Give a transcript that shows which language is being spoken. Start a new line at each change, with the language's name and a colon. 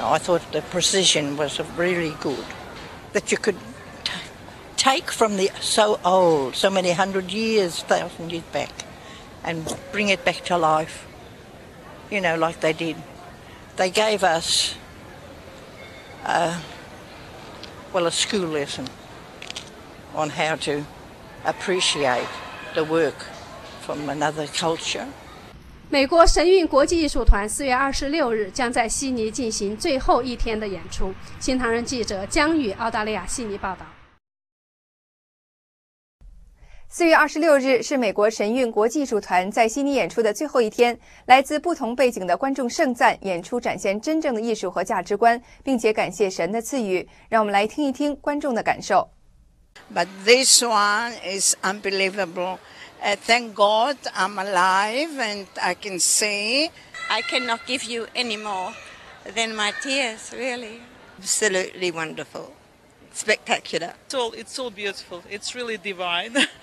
English: I thought the precision was really good, that you could take from the so old, so many hundred years, thousand years back, and bring it back to life, you know, like they did. They gave us... Well, a school lesson on how to appreciate the work from another culture.
Chinese: 美国神韵国际艺术团4月26日将在悉尼进行最后一天的演出。新唐人记者江宇，澳大利亚悉尼报道。 4月26日是美国神韵国际艺术团在悉尼演出的最后一天，来自不同背景的观众盛赞演出展现真正的艺术和价值观，并且感谢神的赐予。让我们来听一听观众的感受。
English: But this one is unbelievable. Thank God I'm alive and I can see I cannot give you any more than my tears, really. Absolutely wonderful. Spectacular. It's all beautiful. It's really divine.